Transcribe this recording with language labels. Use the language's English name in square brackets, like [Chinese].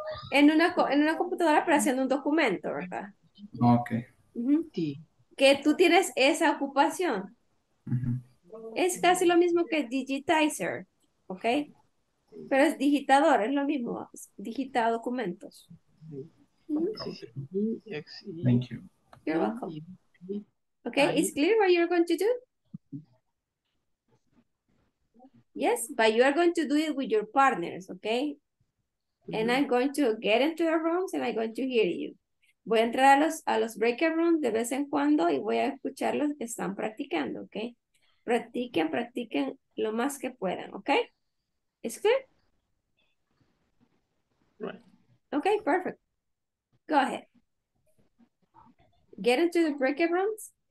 [Spanish] En una computadora para hacer un documento, ¿verdad? [English] Ok. [Spanish] Uh-huh. Que tú tienes esa ocupación. Uh-huh. Es casi lo mismo que digitizer, ¿ok? Pero es digitador, es lo mismo, digita documentos. [English] Thank you. You're welcome. Okay, is clear what you're going to do? Yes, but you are going to do it with your partners, okay? And I'm going to get into the rooms and I'm going to hear you. [Spanish] Voy a entrar a los breakout rooms de vez en cuando y voy a escuchar los que están practicando, okay? Practiquen lo más que puedan, okay? [English] Is clear? Right. Okay, perfect. Go ahead. Get into the breakout rooms.